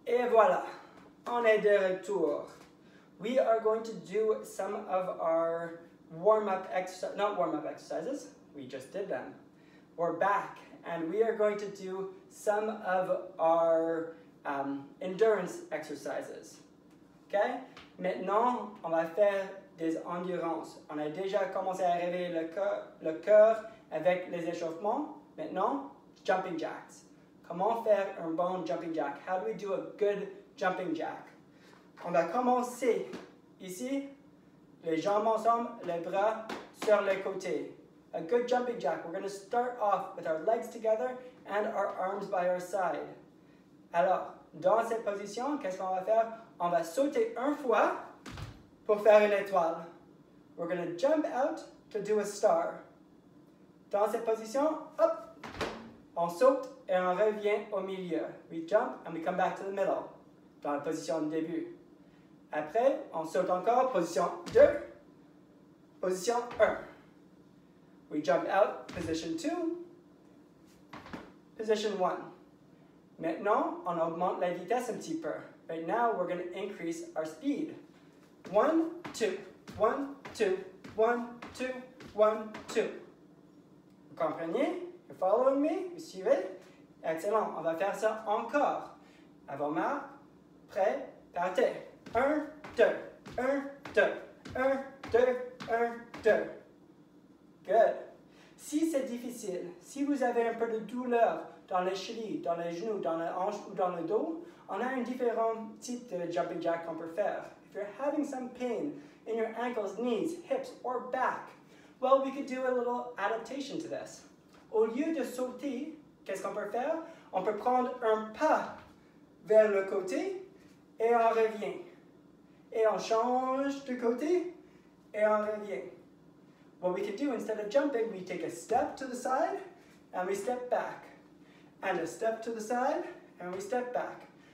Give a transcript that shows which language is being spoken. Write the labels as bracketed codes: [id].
[fr] voilà, on est de retour. [en] We are going to do some of our warm-up exercises, not warm-up exercises, we just did them. We're back and we are going to do some of our endurance exercises. [fr] Okay? Maintenant, on va faire des endurances. On a déjà commencé à réveiller le cœur avec les échauffements. Maintenant, jumping jacks. Comment faire un bon jumping jack? [en] How do we do a good jumping jack? [fr] On va commencer ici, les jambes ensemble, les bras sur les côtés. [en] A good jumping jack. We're going to start off with our legs together and our arms by our side. [fr] Alors, dans cette position, qu'est-ce qu'on va faire? On va sauter une fois pour faire une étoile. [en] We're going to jump out to do a star. [fr] Dans cette position, hop, on saute et on revient au milieu. [en] We jump and we come back to the middle, [fr] dans la position de début. Après, on saute encore, position 2, position 1. [en] We jump out, position 2, position 1. [fr] Maintenant, on augmente la vitesse un petit peu. [en] Right now, we're going to increase our speed. 1, 2, 1, 2, 1, 2, 1, 2. [fr] Vous comprenez? [en] You're following me? [fr] Vous suivez? Excellent. On va faire ça encore. Avant-marre, prêt, partez. 1, 2, 1, 2, 1, 2, 1, 2. Good. Si c'est difficile, si vous avez un peu de douleur dans les chevilles, dans les genoux, dans les hanches ou dans le dos, on a un différent type de jumping jack qu'on peut faire. [en] If you're having some pain in your ankles, knees, hips, or back, well, we could do a little adaptation to this. [fr] Au lieu de sauter, qu'est-ce qu'on peut faire? On peut prendre un pas vers le côté et on revient. Et on change de côté et on revient. [en] What we can do, instead of jumping, we take a step to the side and we step back. And a step to the side and we step back.